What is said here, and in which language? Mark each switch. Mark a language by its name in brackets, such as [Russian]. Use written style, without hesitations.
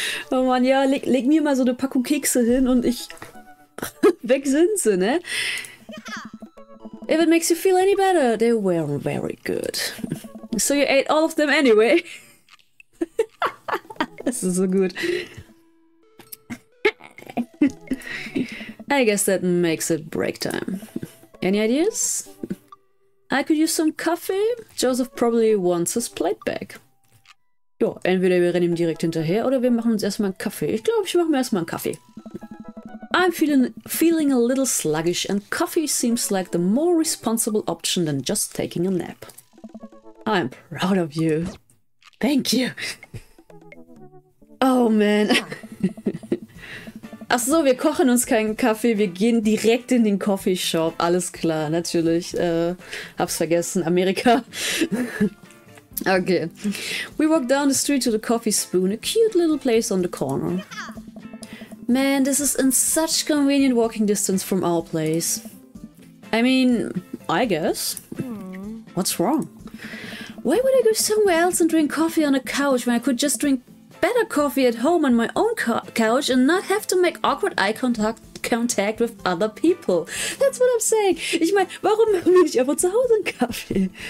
[German] Oh man, ja, leg mir mal so eine Packung Kekse hin und ich... Weg sind sie, ne? [English] If it makes you feel any better, they weren't very good. So you ate all of them anyway. This is so good. I guess that makes it break time. Any ideas? I could use some coffee. Joseph probably wants his plate back. [German] Jo, entweder wir rennen ihm direkt hinterher oder wir machen uns erstmal einen Kaffee. Ich glaube, ich mache mir erstmal einen Kaffee. [English] I'm feeling a little sluggish and coffee seems like the more responsible option than just taking a nap. I'm proud of you. Thank you. Oh man. [German] Ach so, wir kochen uns keinen Kaffee, wir gehen direkt in den Coffee Shop. Alles klar, natürlich. Hab's vergessen, Amerika. Okay. [English] We walk down the street to the coffee spoon, a cute little place on the corner. Man, this is in such convenient walking distance from our place. I mean, I guess. What's wrong? Why would I go somewhere else and drink coffee on a couch when I could just drink better coffee at home on my own couch and not have to make awkward eye contact with other people? That's what I'm saying. [German] Ich meine, warum nehme ich einfach zu Hause einen Kaffee?